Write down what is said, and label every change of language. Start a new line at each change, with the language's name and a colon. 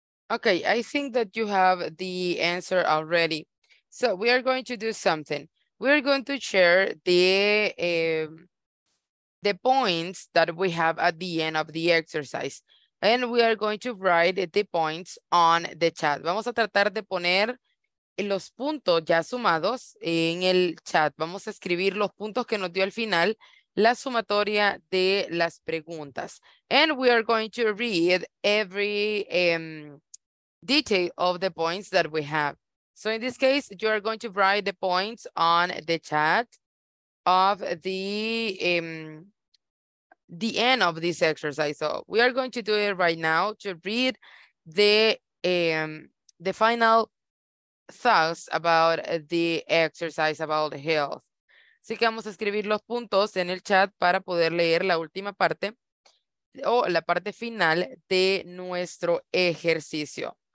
English: Okay, I think that you have the answer already. So we are going to do something. We're going to share the points that we have at the end of the exercise. And we are going to write the points on the chat.
Spanish: Vamos a tratar de poner los puntos ya sumados en el chat. Vamos a escribir los puntos que nos dio al final, la sumatoria de las preguntas.
English: And we are going to read every detail of the points that we have. So in this case, you are going to write the points on the chat of the end of this exercise. So we are going to do it right now to read the final thoughts about the exercise about health.
Spanish: Así que vamos a escribir los puntos en el chat para poder leer la última parte o la parte final de nuestro ejercicio.